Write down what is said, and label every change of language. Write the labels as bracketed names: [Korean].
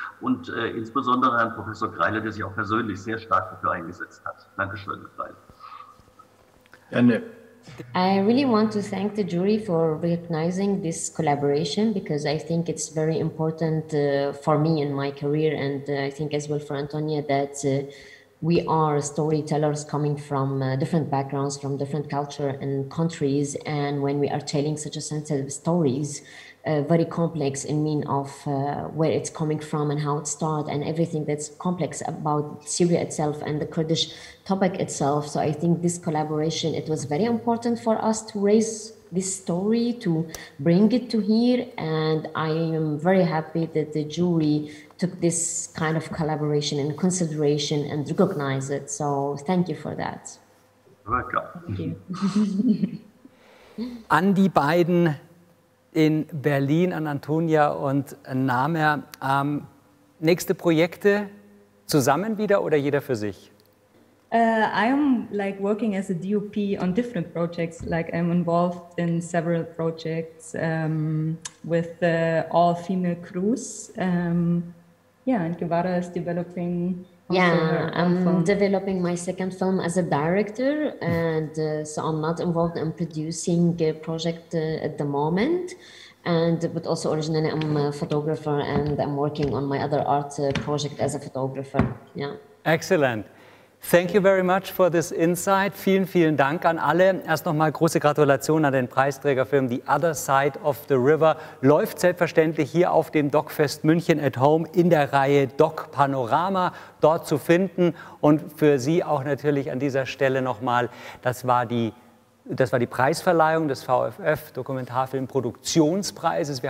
[German] Und insbesondere an Professor Greile, der sich auch persönlich sehr stark dafür eingesetzt hat. Dankeschön, Greile. Gerne. [English] I really want to thank the jury for recognizing this collaboration because I think it's very important for me in my career and I think as well for Antonia that we are storytellers coming from different backgrounds, from different culture and countries, and when we are telling such a sensitive stories, very complex in mean of where it's coming from and how it started and everything that's complex about Syria itself and the Kurdish topic itself. So I think this collaboration, it was very important for us to raise this story, to bring it to here. And I am very happy that the jury took this kind of collaboration in consideration and recognized it. So thank you for that. Welcome. Thank you. [German] An die beiden in Berlin, an Antonia und Namer. Nächste Projekte zusammen wieder oder jeder für sich? [English] I am like working as a DOP on different projects. Like I'm involved in several projects with all female crews. Yeah, and Guevara is developing. Developing my second film as a director, and so I'm not involved in producing a project at the moment. But also originally I'm a photographer, and I'm working on my other art project as a photographer. Yeah. Excellent. Thank you very much for this insight. [German] Vielen, vielen Dank an alle. Erst nochmal große Gratulation an den Preisträgerfilm The Other Side of the River. Läuft selbstverständlich hier auf dem Docfest München at Home in der Reihe Doc Panorama dort zu finden. Und für Sie auch natürlich an dieser Stelle nochmal, das war die Preisverleihung des VFF, Dokumentarfilmproduktionspreises.